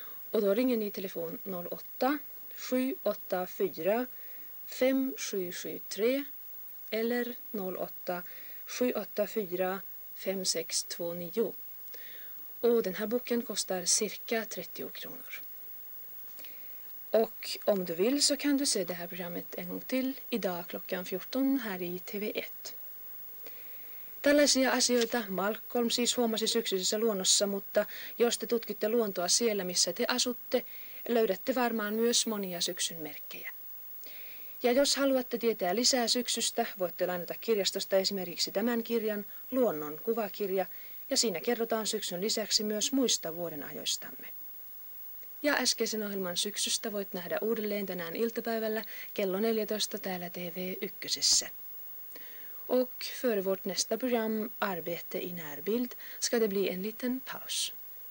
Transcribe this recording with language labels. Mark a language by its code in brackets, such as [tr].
[sv] Och då ringer ni telefon 08 784 5773 eller 08 784 5629. Och den här boken kostar cirka 30 kronor. Och om du vill så kan du se det här programmet en gång till idag klockan 14 här i TV1. [fi] Tällaisia asioita Malcolm siis huomasi syksyisessä luonnossa, mutta jos te tutkitte luontoa siellä, missä te asutte, löydätte varmaan myös monia syksyn merkkejä. Ja jos haluatte tietää lisää syksystä, voitte lainata kirjastosta esimerkiksi tämän kirjan, Luonnon kuvakirja, ja siinä kerrotaan syksyn lisäksi myös muista vuoden ajoistamme. Ja äskeisen ohjelman syksystä voit nähdä uudelleen tänään iltapäivällä kello 14 täällä TV1. [sv] Och för vårt nästa program, Arbete i närbild, ska det bli en liten paus.